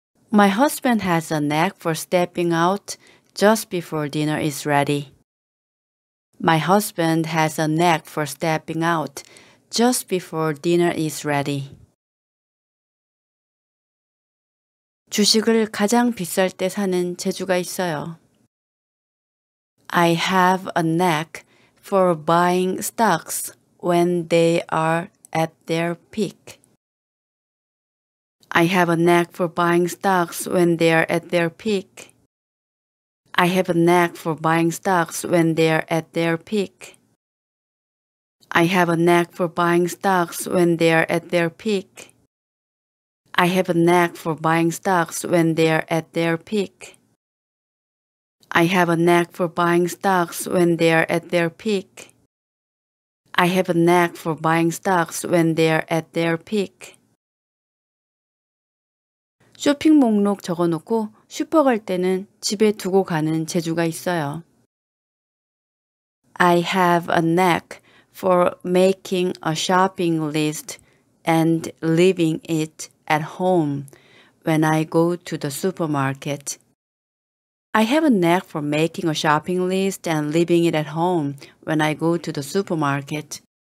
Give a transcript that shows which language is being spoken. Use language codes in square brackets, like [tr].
[en] My husband has a knack for stepping out just before dinner is ready. My husband has a knack for stepping out just before dinner is ready. [ko] 주식을 가장 비쌀 때 사는 재주가 있어요. [en] I have a knack for buying stocks when they are at their peak. I have a knack for buying stocks when they are at their peak. I have a knack for buying stocks when they are at their peak. I have a knack for buying stocks when they are at their peak. I have a knack for buying stocks when they are at their peak. I have a knack for buying stocks when they are at their peak. I have a knack for buying stocks when they are at their peak. [ko] 쇼핑 목록 적어놓고 슈퍼 갈 때는 집에 두고 가는 재주가 있어요. [en] I have a knack for making a shopping list and leaving it at home when I go to the supermarket. I have a knack for making a shopping list and leaving it at home when I go to the supermarket.